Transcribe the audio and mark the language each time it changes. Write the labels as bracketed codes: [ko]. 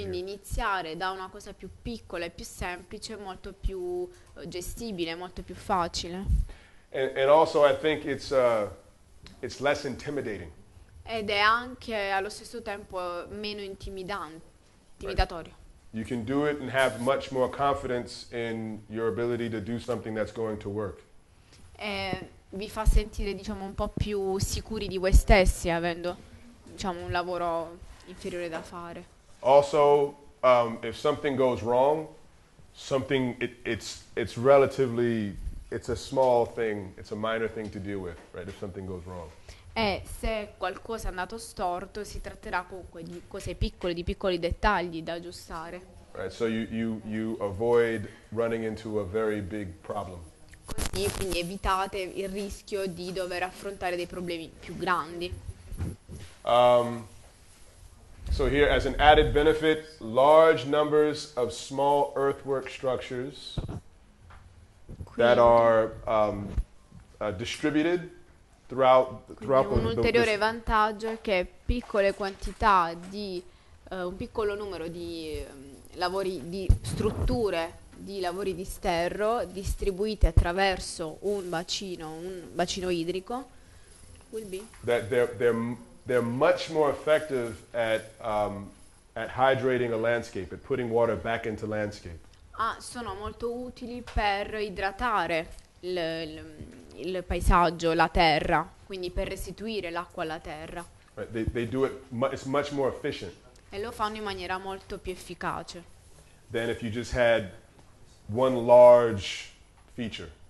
[it] Quindi iniziare da una cosa più piccola e più semplice è molto più gestibile, molto più facile. [en] And also, I think it's less intimidating. [it] Ed è anche allo stesso tempo meno intimidatorio. [en] Right. You can do it and have much more confidence in your ability to do something that's going to work. [it] E vi fa sentire diciamo un po' più sicuri di voi stessi avendo diciamo un lavoro inferiore da fare. [en] Also, if something goes wrong, it's relatively. It's a small thing, it's a minor thing to deal with, right, if something goes wrong. [it] E se qualcosa è andato storto, si tratterà comunque di cose piccole, di piccoli dettagli da aggiustare. [en] Right, so you avoid running into a very big problem. [it] Così, quindi evitate il rischio di dover affrontare dei problemi più grandi. [en] So here, as an added benefit, large numbers of small earthwork structures that are distributed throughout [it] un ulteriore vantaggio è che piccole quantità di un piccolo numero di lavori di strutture di lavori di sterro distribuiti attraverso un bacino idrico [en] will be that they're much more effective at hydrating a landscape, at putting water back into landscape. [it] Ah, sono molto utili per idratare il paesaggio, la terra, quindi per restituire l'acqua alla terra. [en] Right, they do it it's much more efficient. [it] E lo fanno in maniera molto più efficace. [en] Than if you just had one large feature.